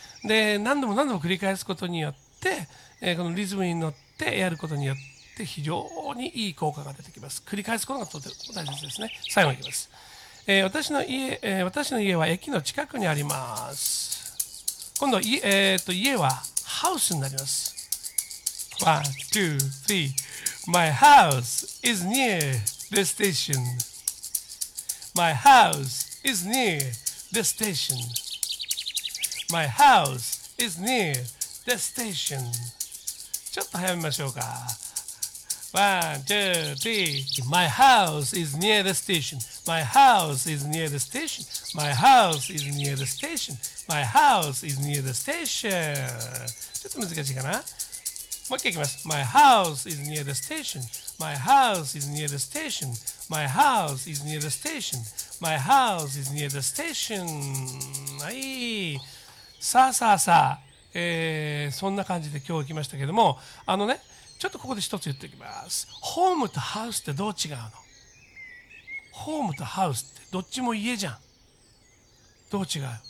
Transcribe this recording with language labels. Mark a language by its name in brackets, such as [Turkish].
[Japanese] で、何度も何度も繰り返すことによって、このリズムに乗ってやることによって非常にいい効果が出てきます。繰り返すことがとても大切ですね。最後にいきます。私の家は駅の近くにあります。今度は家はハウスになります。 [English] One, two, three. My house is near the station. My house is near the station. My house is near the station. [Japanese] ちょっと早めましょうか。 [English] One, two, three. My house is near the station. My house is near the station. My house is near the station. My house is near the station. [Japanese] ちょっと難しいかな。もう一回いきます。 [English] My house is near the station. My house is near the station. My house is near the station. My house is near the station. [Japanese] はい。さあさあさあ、そんな感じで今日来ましたけども、ちょっとここで一つ言っておきます。ホームとハウスってどう違うの？ホームとハウスってどっちも家じゃん。どう違う？